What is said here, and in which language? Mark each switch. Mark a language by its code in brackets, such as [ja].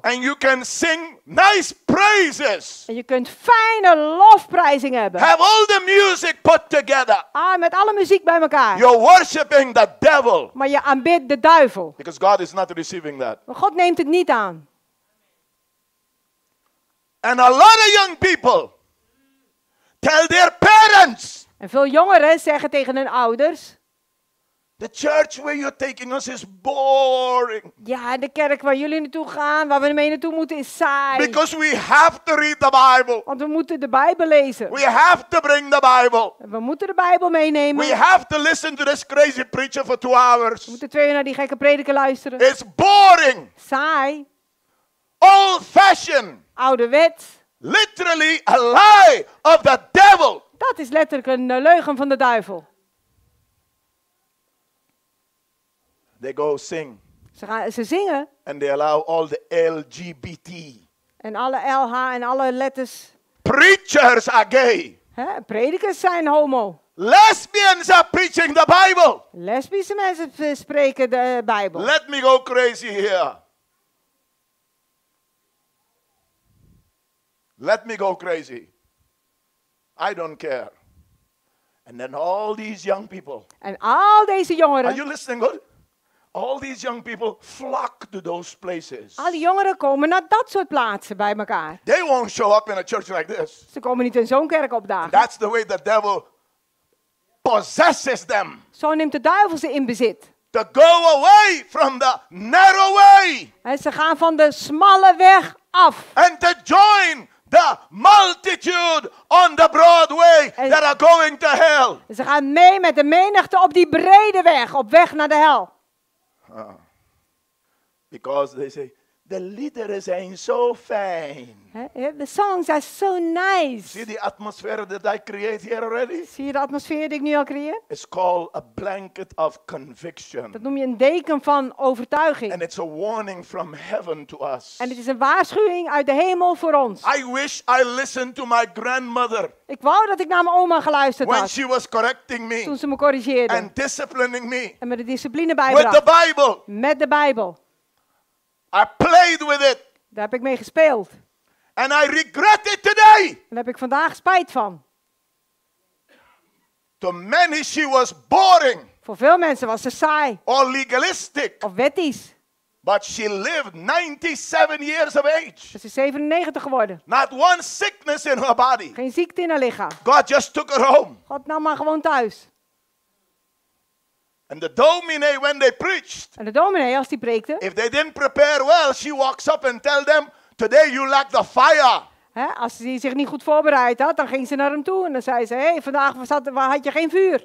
[en] And you can sing nice praises. [nl] En je kunt fijne lofprijzing hebben. [en] Have all the music put together. [nl] Ah, met alle muziek bij elkaar. [en] You're worshiping the devil. [nl] Maar je aanbidt de duivel. [en] Because God is not receiving that. [nl] Maar God neemt het niet aan. [en] And a lot of young people tell their parents. [nl] En veel jongeren zeggen tegen hun ouders. [en] The church where you're taking us is boring. [nl] Ja, de kerk waar jullie naartoe gaan, waar we mee naartoe moeten, is saai. [en] Because we have to read the Bible. [nl] Want we moeten de Bijbel lezen. [en] We have to bring the Bible. [nl] We moeten de Bijbel meenemen. [en] We have to listen to this crazy preacher for 2 hours. [nl] We moeten 2 uur naar die gekke prediker luisteren. [en] It's boring. [nl] Saai. [en] Old fashioned. [nl] Ouderwets. [en] Literally a lie of the devil. [nl] Dat is letterlijk een leugen van de duivel. [en] They go sing. [nl] Ze zingen. [en] And they allow all the LGBT. [nl] En alle LH en alle letters. [en] Preachers are gay. [nl] Hè? Predikers zijn homo. [en] Lesbians are preaching the Bible. [nl] Lesbische mensen spreken de Bijbel. [en] Let me go crazy here. Let me go crazy. I don't care. And then all these young people. [nl] En al deze jongeren. [en] Are you listening good? All these young people flock to those places. [nl] Al die jongeren komen naar dat soort plaatsen bij elkaar. [en] They won't show up in a church like this. [nl] Ze komen niet in zo'n kerk opdagen. [en] That's the way the devil possesses them. [nl] Zo neemt de duivel ze in bezit. [en] To go away from the narrow way. [nl] En ze gaan van de smalle weg af. [en] And to join the multitude on the broad way that are going to hell. [nl] Ze gaan mee met de menigte op die brede weg, op weg naar de hel. [en] Because they say the [nl] liederen zijn so fijn. [en] The songs are so nice. See the atmosphere that I create here already? [nl] Zie je de atmosfeer die ik nu al creëer? [en] It's called a blanket of conviction. [nl] Dat noem je een deken van overtuiging. [en] And it's a warning from heaven to us. [nl] En het is een waarschuwing uit de hemel voor ons. [en] I wish I listened to my grandmother. [nl] Ik wou dat ik naar mijn oma geluisterd [en] when [nl] had. [en] When she was correcting me. [nl] Toen ze me corrigeerde. [en] And disciplining me. [nl] En me de discipline bijbracht. [en] With the Bible. [nl] Met de Bijbel. [en] I played with it. [nl] Daar heb ik mee gespeeld. [en] And I regret it today. [nl] Daar heb ik vandaag spijt van. [en] To many she was boring. [nl] Voor veel mensen was ze saai. [en] Or legalistic. [nl] Of wettisch. [en] But she lived 97 years of age. [nl] Ze is 97 geworden. [en] Not one sickness in her body. [nl] Geen ziekte in haar lichaam. [en] God just took her home. [nl] God nam haar gewoon thuis. [en] And the dominee when they preached. [nl] En de dominee als die preekte. [en] If they didn't prepare well, she walks up and tell them, today you lack the fire. [nl] Hè, als die zich niet goed voorbereid had, dan ging ze naar hem toe en dan zei ze, hey, vandaag had je geen vuur.